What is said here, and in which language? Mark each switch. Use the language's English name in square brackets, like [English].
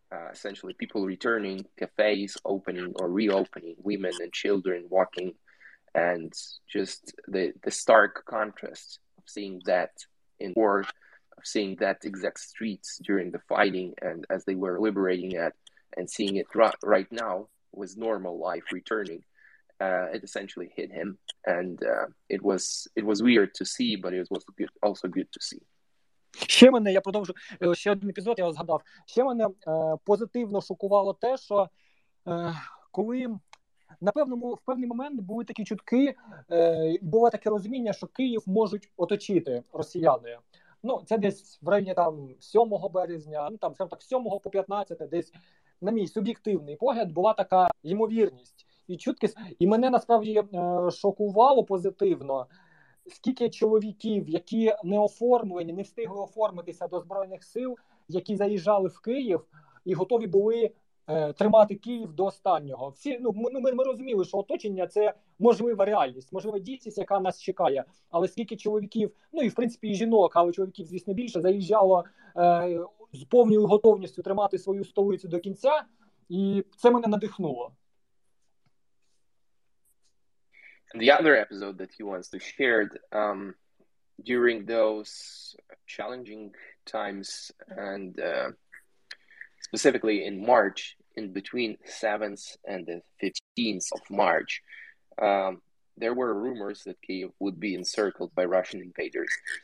[English] Essentially people returning, cafes opening or reopening, women and children walking, and just the stark contrast of seeing that in war, of seeing that exact streets during the fighting and as they were liberating it, and seeing it right now with normal life returning, it essentially hit him. And it was weird to see, but it was also good to see. [Ukrainian] Ще мене, я продовжу, ще один епізод я згадав. Ще мене позитивно шокувало те, що коли, напевно, в певний момент були такі чутки, було таке розуміння, що Київ можуть оточити росіяни. Ну, це десь в районі там 7 березня, ну там, скажімо так, 7 по 15 десь, на мій суб'єктивний погляд, була така ймовірність і чуткість. І мене насправді шокувало позитивно скільки чоловіків, які не оформлені, не встигли оформитися до Збройних сил, які заїжджали в Київ і готові були тримати Київ до останнього. Всі, ми розуміли, що оточення – це можлива реальність, можлива дійсність, яка нас чекає. Але скільки чоловіків, і в принципі і жінок, але чоловіків, звісно, більше, заїжджало з повною готовністю тримати свою столицю до кінця, і це мене надихнуло. [English] The other episode that he wants to share during those challenging times and specifically in March, in between 7th and the 15th of March, there were rumors that Kyiv would be encircled by Russian invaders.